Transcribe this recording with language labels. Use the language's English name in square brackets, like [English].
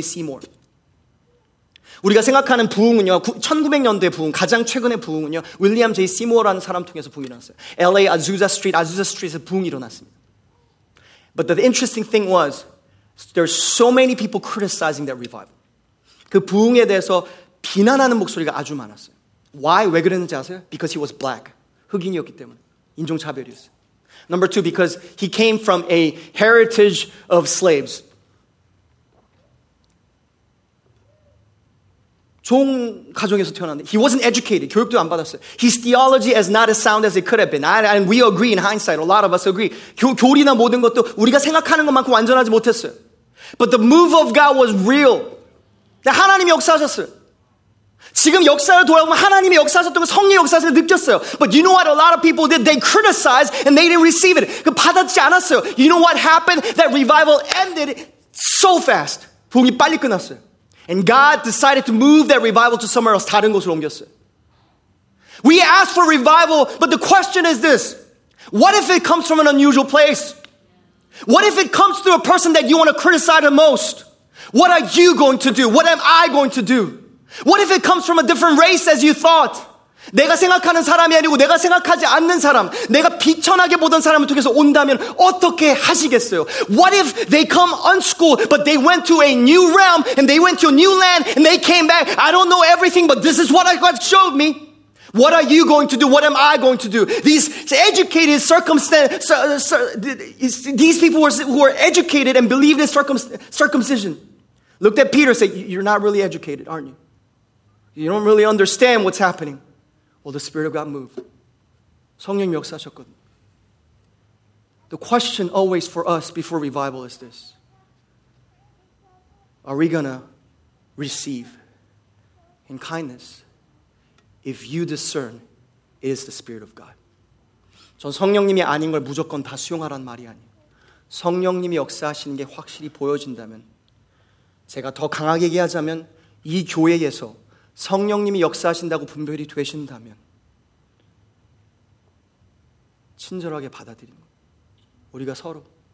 [Korean] Seymour. 우리가 생각하는 부흥은요, 1900년대 부흥, 가장 최근의 부흥은요, William J. Seymour라는 사람 통해서 부흥이 일어났어요. LA, Azusa Street, Azusa Street에서 부흥이 일어났습니다. [English] But the interesting thing was, there are so many people criticizing that revival. [Korean] 그 부흥에 대해서 비난하는 목소리가 아주 많았어요. [English] Why? [Korean] 왜 그랬는지 아세요? [English] Because he was black. [Korean] 흑인이었기 때문에. 인종차별이었어요. [English] Number two, because he came from a heritage of slaves. [Korean] 좋은 가정에서 태어났는데 [English] he wasn't educated. [Korean] 교육도 안 받았어요. [English] His theology is not as sound as it could have been. And we agree in hindsight. A lot of us agree. [Korean] 교리나 모든 것도 우리가 생각하는 것만큼 완전하지 못했어요. [English] But the move of God was real. [Korean] 하나님이 역사하셨어요. 지금 역사를 돌아보면 하나님이 역사하셨던 거 성령 역사하셨을 느꼈어요. [English] But you know what a lot of people did? They criticized and they didn't receive it. [Korean] 그 받았지 않았어요. [English] You know what happened? That revival ended so fast. [Korean] 부흥이 빨리 끝났어요. [English] And God decided to move that revival to somewhere else, [Korean] 다른 곳으로 옮겼어요. [English] We ask for revival, but the question is this. What if it comes from an unusual place? What if it comes through a person that you want to criticize the most? What are you going to do? What am I going to do? What if it comes from a different race as you thought? [Korean] 내가 생각하는 사람이 아니고 내가 생각하지 않는 사람, 내가 비천하게 보던 사람을 통해서 온다면 어떻게 하시겠어요? [English] What if they come unschooled, but they went to a new realm, and they went to a new land, and they came back? I don't know everything, but this is what God showed me. What are you going to do? What am I going to do? These people who are educated and believed in circumcision looked at Peter and said, you're not really educated, aren't you? You don't really understand what's happening. Well, the Spirit of God moved. [Korean] 성령이 역사하셨거든. [English] The question always for us before revival is this. Are we gonna receive in kindness? If you discern, it is the Spirit of God. [Korean] 전 성령님이 아닌 걸 무조건 다 수용하란 말이 아니에요. 성령님이 역사하시는 게 확실히 보여진다면, 제가 더 강하게 얘기하자면, 이 교회에서 성령님이 역사하신다고 분별이 되신다면, 친절하게 받아들이는 거예요. 우리가 서로.